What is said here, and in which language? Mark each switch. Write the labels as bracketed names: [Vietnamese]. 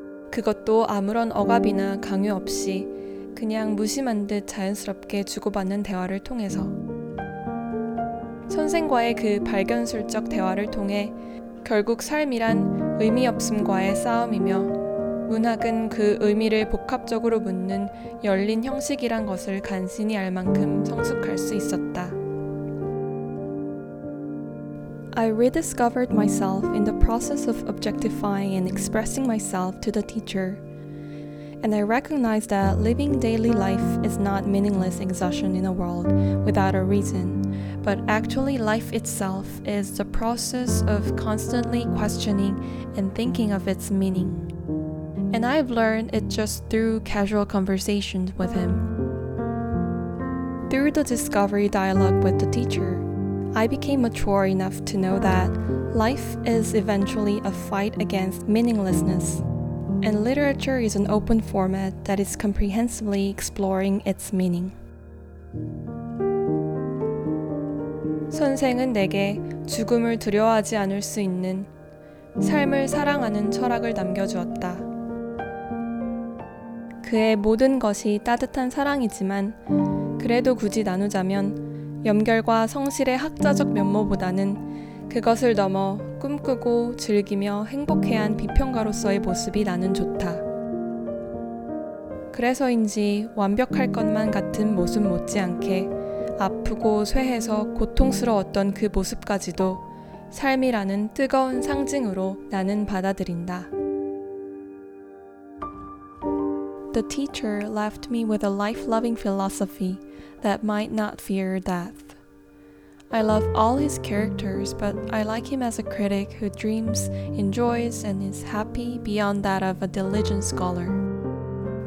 [Korean] 그것도 아무런 억압이나 강요 없이 그냥 무심한 듯 자연스럽게 주고받는 대화를 통해서 선생과의 그 발견술적 대화를 통해 결국 삶이란 의미 없음과의 싸움이며 문학은 그 의미를 복합적으로 묻는 열린 형식이란 것을 간신히 알 만큼 성숙할 수 있었다. [English] I rediscovered myself in the process of objectifying and expressing myself to the teacher. And I recognize that living daily life is not meaningless exhaustion in a world without a reason, but actually life itself is the process of constantly questioning and thinking of its meaning. And I've learned it just through casual conversations with him. Through the discovery dialogue with the teacher, I became mature enough to know that life is eventually a fight against meaninglessness. And literature is an open format that is comprehensively exploring its meaning. [Korean] 선생은 내게 죽음을 두려워하지 않을 수 있는 삶을 사랑하는 철학을 남겨주었다. 그의 모든 것이 따뜻한 사랑이지만 그래도 굳이 나누자면 염결과 성실의 학자적 면모보다는 그것을 넘어 꿈꾸고 즐기며 행복해한 비평가로서의 모습이 나는 좋다. 그래서인지 완벽할 것만 같은 모습 못지않게 아프고 쇠해서 고통스러웠던 그 모습까지도 삶이라는 뜨거운 상징으로 나는 받아들인다. [English] The teacher left me with a life-loving philosophy that might not fear death. I love all his characters, but I like him as a critic who dreams, enjoys, and is happy beyond that of a diligent scholar.